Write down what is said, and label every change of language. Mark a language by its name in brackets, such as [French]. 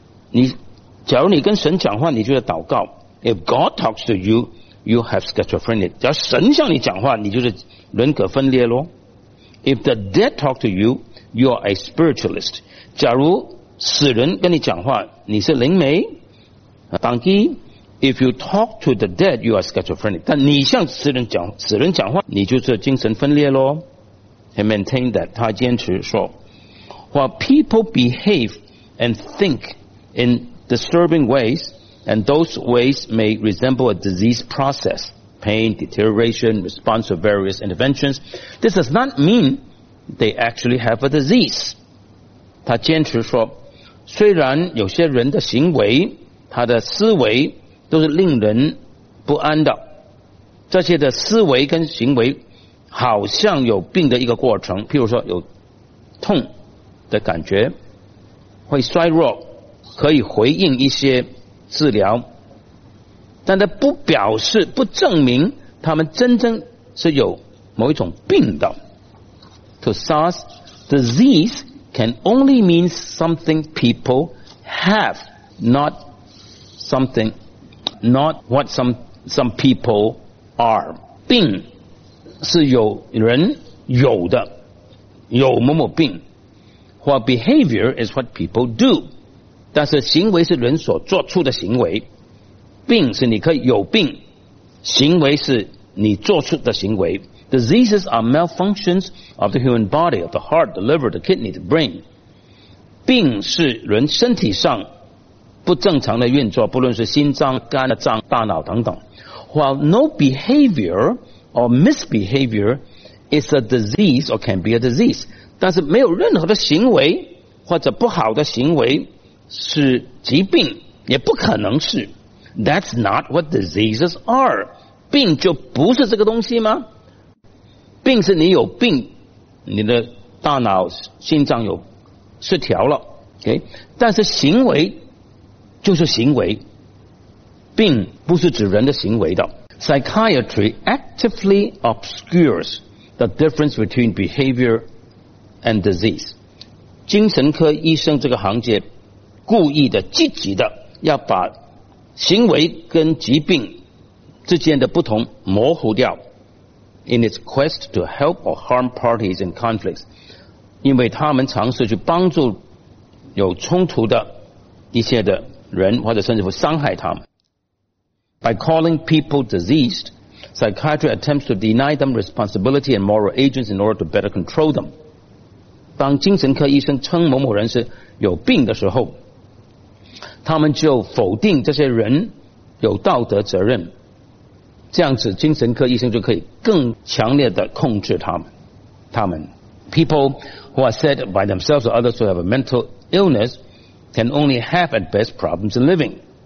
[Chinese] 你假如你跟神讲话，你就是祷告。 [English] If God talks to you, you have schizophrenia。 [Chinese] 假如神向你讲话，你就是人格分裂咯。 [English] If the dead talk to you, you are a spiritualist。 [Chinese] 假如死人跟你讲话，你是灵媒。 [English] 当机 ，If you talk to the dead, you are schizophrenic。 [Chinese] 但你向死人讲话，你就是精神分裂咯。 [English] He maintained that， [Chinese] 他坚持说。 [English] While people behave and think in disturbing ways, and those ways may resemble a disease process, pain, deterioration, response to various interventions, this does not mean they actually have a disease. [Chinese] 他坚持说，虽然有些人的行为，他的思维都是令人不安的，这些的思维跟行为好像有病的一个过程，譬如说有痛的感觉，会衰弱，可以回应一些治疗，但它不表示，不证明他们真正是有某一种病的。 [English] To SARS, disease can only mean something people have, not something, not what some people are. [Chinese] 病是有人有的，有某某病。 [English] While behavior is what people do， [Chinese] 但是行为是人所做出的行为，病是你可以有病，行为是你做出的行为。 [English] Diseases are malfunctions of the human body, of the heart, the liver, the kidney, the brain。 [Chinese] 病是人身体上不正常的运作，不论是心脏、肝的脏、大脑等等。 [English] While no behavior or misbehavior is a disease or can be a disease， [Chinese] 但是没有任何的行为或者不好的行为是疾病，也不可能是。 [English] That's not what diseases are。 [Chinese] 病就不是这个东西吗？病是你有病，你的大脑、心脏有失调了。 [English] OK， [Chinese] 但是行为就是行为，病不是指人的行为的。 [English] Psychiatry actively obscures the difference between behavior and disease。 [Chinese] 精神科医生这个行业故意的、积极的要把行为跟疾病之间的不同模糊掉 ， [English] in its quest to help or harm parties in conflicts， [Chinese] 因为他们尝试去帮助有冲突的一些的人，或者甚至会伤害他们。 [English] By calling people diseased, psychiatry attempts to deny them responsibility and moral agents in order to better control them。 [Chinese] 当精神科医生称某某人是有病的时候，他们就否定这些人有道德责任，这样子精神科医生就可以更强烈的控制他们。 [English] People who are said by themselves or others to have a mental illness can only have at best problems in living。